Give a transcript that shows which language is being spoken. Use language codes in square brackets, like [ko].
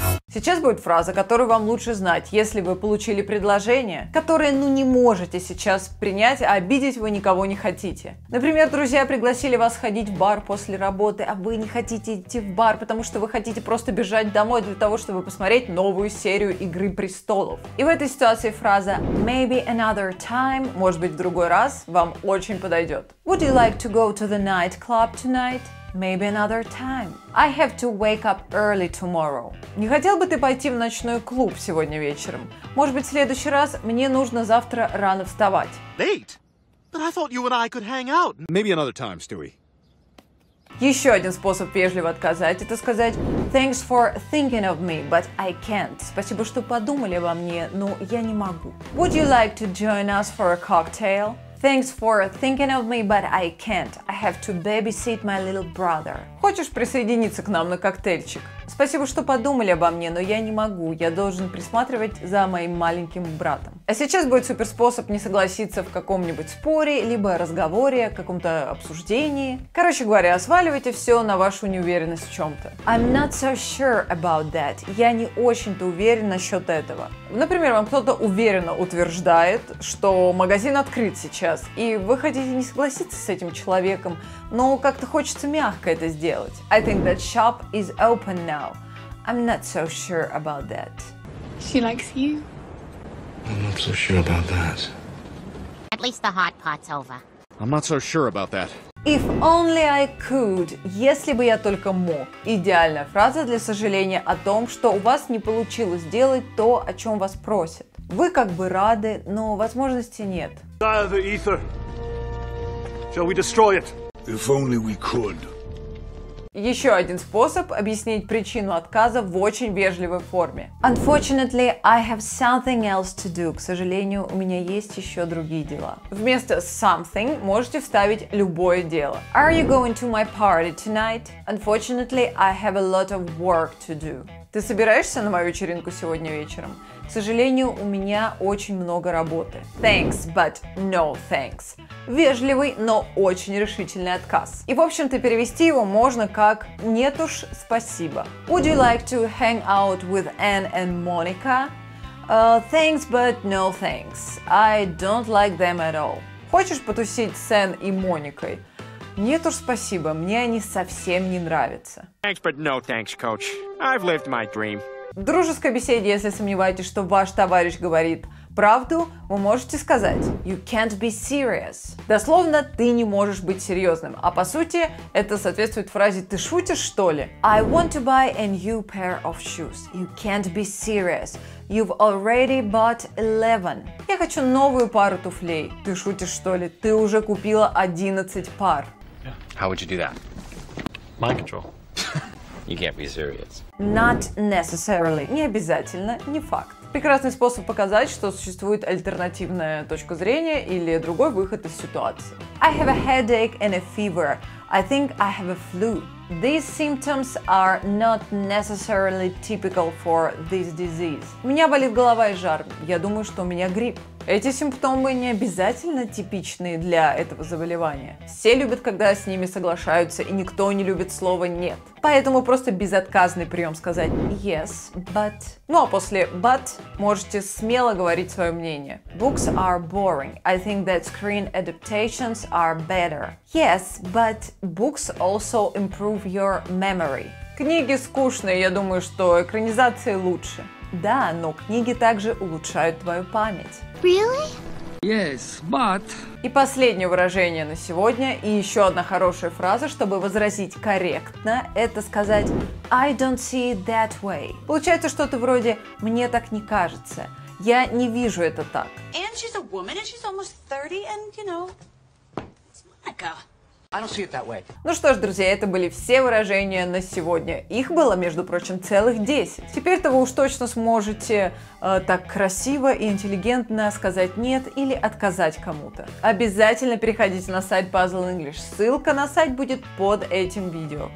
[ru] Сейчас будет фраза, которую вам лучше знать, если вы получили предложение, которое, ну, не можете сейчас принять, а обидеть вы никого не хотите. Например, друзья пригласили вас ходить в бар после работы, а вы не хотите идти в бар, потому что вы хотите просто бежать домой для того, чтобы посмотреть новую серию «Игры престолов». И в этой ситуации фраза [en] «Maybe another time», [ru] может быть, в другой раз, вам очень подойдет. [en] Would you like to go to the nightclub tonight? Maybe another time. I have to wake up early tomorrow. [ru] Не хотел бы ты пойти в ночной клуб сегодня вечером? Может быть, в следующий раз мне нужно завтра рано вставать. [en] Late? But I thought you and I could hang out. Maybe another time, Stewie. [ru] Еще один способ вежливо отказать – это сказать [en] «Thanks for thinking of me, but I can't». [ru] Спасибо, что подумали обо мне, но я не могу. [en] Would you like to join us for a cocktail? Thanks for thinking of me, but I can't. I have to babysit my little brother. [ru] Хочешь присоединиться к нам на коктейльчик? Спасибо, что подумали обо мне, но я не могу. Я должен присматривать за моим маленьким братом. А сейчас будет суперспособ не согласиться в каком-нибудь споре, либо разговоре, каком-то обсуждении. Короче говоря, сваливайте все на вашу неуверенность в чем-то. [en] I'm not so sure about that. [ru] Я не очень-то уверен насчет этого. Например, вам кто-то уверенно утверждает, что магазин открыт сейчас, и вы хотите не согласиться с этим человеком, но как-то хочется мягко это сделать. [en] I think that shop is open now. I'm not so sure about that. She likes you. I'm not so sure about that. At least the hot pot's over. I'm not so sure about that. If only I could. [ru] Если бы я только мог. Идеальная фраза для сожаления о том, что у вас не получилось сделать то, о чем вас просят. Вы как бы рады, но возможности нет. [en] Dial the ether. Shall we destroy it? If only we could. [ru] Еще один способ объяснить причину отказа в очень вежливой форме. [en] Unfortunately, I have something else to do. [ru] К сожалению, у меня есть еще другие дела. Вместо something можете вставить любое дело. [en] Are you going to my party tonight? Unfortunately, I have a lot of work to do. [ru] Ты собираешься на мою вечеринку сегодня вечером? К сожалению, у меня очень много работы. [en] Thanks, but no thanks. [ru] Вежливый, но очень решительный отказ. И, в общем-то, перевести его можно как «нет уж, спасибо». [en] Would you like to hang out with Anne and Monica? Thanks, but no thanks. I don't like them at all. [ru] Хочешь потусить с Энн и Моникой? Нет уж, спасибо, мне они совсем не нравятся. [en] Thanks, but no thanks, coach. I've lived my dream. [ru] В дружеской беседе, если сомневаетесь, что ваш товарищ говорит правду, вы можете сказать [en] You can't be serious. [ru] Дословно, ты не можешь быть серьезным. А по сути, это соответствует фразе «ты шутишь, что ли?» [en] I want to buy a new pair of shoes. You can't be serious. You've already bought 11. [ru] Я хочу новую пару туфлей. Ты шутишь, что ли? Ты уже купила 11 пар. [en] How would you do that? Mind control. You can't be serious. Not necessarily. [ru] Не обязательно, не факт. Прекрасный способ показать, что существует альтернативная точка зрения или другой выход из ситуации. [en] I have a headache and a fever. I think I have a flu. These symptoms are not necessarily typical for this disease. [ru] У меня болит голова и жар. Я думаю, что у меня грипп. Эти симптомы не обязательно типичны для этого заболевания. Все любят, когда с ними соглашаются, и никто не любит слово «нет». Поэтому просто безотказный прием сказать [en] «yes, but». [ru] Ну а после «but» можете смело говорить свое мнение. [en] Books are boring. I think that screen adaptations are better. Yes, but books also improve your memory. [ru] Книги скучные, я думаю, что экранизации лучше. Да, но книги также улучшают твою память. [en] Really? Yes, but... [ru] И последнее выражение на сегодня, и еще одна хорошая фраза, чтобы возразить корректно, это сказать [en] I don't see it that way. [ru] Получается что-то вроде «мне так не кажется», «я не вижу это так». [en] And she's a woman, and she's almost 30, and, you know, it's Monica. I don't see it that way. [ru] Ну что ж, друзья, это были все выражения на сегодня. Их было, между прочим, целых 10. Теперь-то вы уж точно сможете так красиво и интеллигентно сказать «нет» или отказать кому-то. Обязательно переходите на сайт Puzzle English. Ссылка на сайт будет под этим видео.